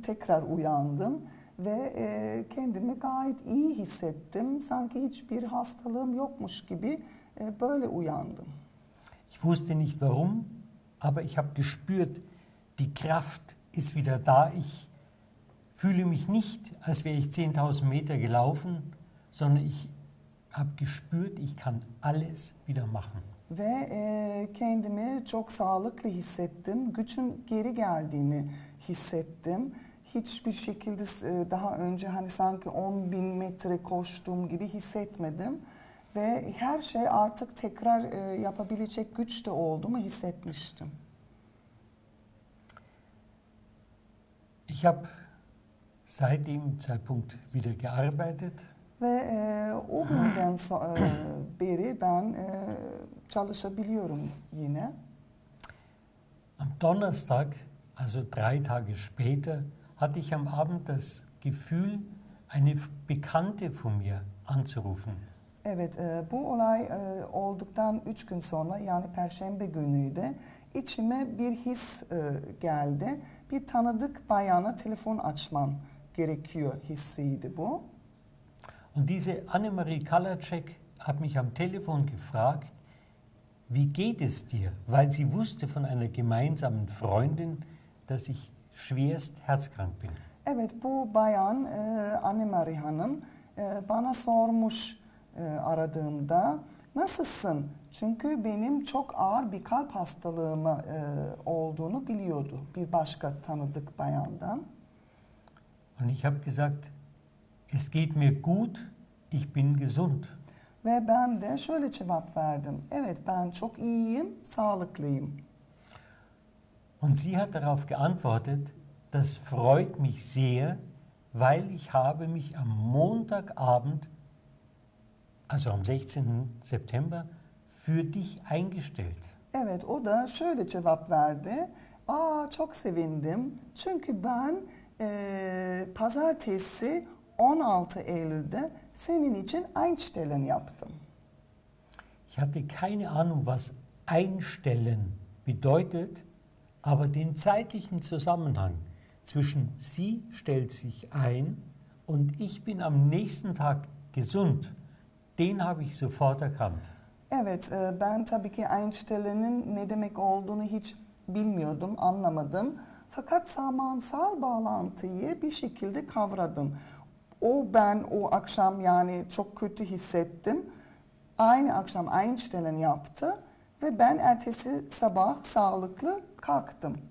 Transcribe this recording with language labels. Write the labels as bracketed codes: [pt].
[tr] Tekrar uyandım ve kendimi gayet iyi hissettim. Sanki hiçbir hastalığım yokmuş gibi böyle uyandım. [de] Ich wusste nicht warum, aber ich habe gespürt, die Kraft ist wieder da. Ich fühle mich nicht, als wäre ich 10.000 Meter gelaufen, sondern ich habe gespürt, ich kann alles wieder machen. [tr] Ve kendimi çok sağlıklı hissettim. Gücün geri geldiğini hissettim. Hiçbir şekilde daha önce hani sanki 10.000 metre koştuğum gibi hissetmedim. Ve her şey artık tekrar yapabilecek güçte olduğumu hissetmiştim. [de] Ich habe seit dem Zeitpunkt wieder gearbeitet. [tr] Ve o günden beri ben çalışabiliyorum yine. [de] Am Donnerstag, also drei Tage später, hatte ich am Abend das Gefühl, eine Bekannte von mir anzurufen. [tr] Evet, bu olay olduktan üç gün sonra, yani Perşembe günüydü, içime bir his geldi. Bir tanıdık bayana telefon açmam gerekiyor hissiydi bu. [de] Und diese Annemarie Kalacek hat mich am Telefon gefragt, wie geht es dir? Weil sie wusste von einer gemeinsamen Freundin, dass ich schwerst herzkrank bin. [tr] Evet, bu bayan Annemarie Hanım bana sormuş aradığımda, nasılsın? Çünkü benim çok ağır bir kalp hastalığım olduğunu biliyordu bir başka tanıdık bayandan. [de] Und ich habe gesagt, es geht mir gut, ich bin gesund. [tr] Ve ben de şöyle cevap verdim. Evet, ben çok iyiyim, sağlıklıyım. [de] Und sie hat darauf geantwortet, das freut mich sehr, weil ich habe mich am Montagabend, also am 16. September, für dich eingestellt. [tr] Evet, o da şöyle cevap verdi. Aa, çok sevindim. Çünkü ben pazartesi 16 Eylül'de senin için einstellen yaptım. [de] Ich hatte keine Ahnung, was einstellen bedeutet, aber den zeitlichen Zusammenhang zwischen sie stellt sich ein und ich bin am nächsten Tag gesund, den habe ich sofort erkannt. [tr] Evet, ben tabii ki einstellenin ne demek olduğunu hiç bilmiyordum, anlamadım. Fakat zamansal bağlantıyı bir şekilde kavradım. O ben o akşam yani çok kötü hissettim. Aynı akşam einstellen yaptı ve ben ertesi sabah sağlıklı kalktım.